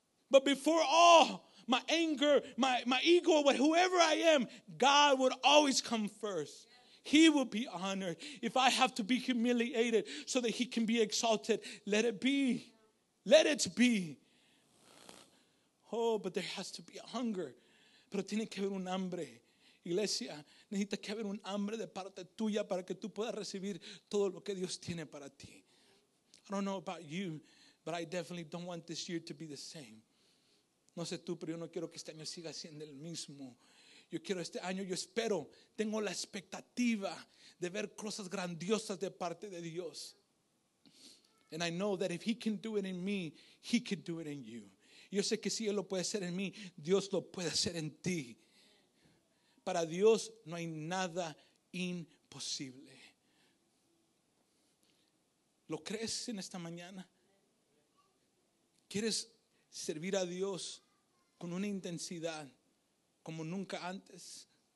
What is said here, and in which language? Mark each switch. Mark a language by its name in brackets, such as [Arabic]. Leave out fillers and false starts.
[English] But before all, my anger, my ego, whoever I am, God would always come first. He will be honored. If I have to be humiliated so that He can be exalted, let it be. Let it be. Oh, but there has to be a hunger. [Spanish] Pero tiene que haber un hambre. Iglesia, necesita que haber un hambre de parte tuya para que tú puedas recibir todo lo que Dios tiene para ti. [English] I don't know about you, but I definitely don't want this year to be the same. [Spanish] No sé tú, pero yo no quiero que este año siga siendo el mismo. Yo quiero este año, yo espero, tengo la expectativa de ver cosas grandiosas de parte de Dios. [English] And I know that if he can do it in me, he can do it in you. [Spanish] Yo sé que si él lo puede hacer en mí, Dios lo puede hacer en ti. Para Dios no hay nada imposible. ¿Lo crees en esta mañana? ¿Quieres servir a Dios con una intensidad como nunca antes?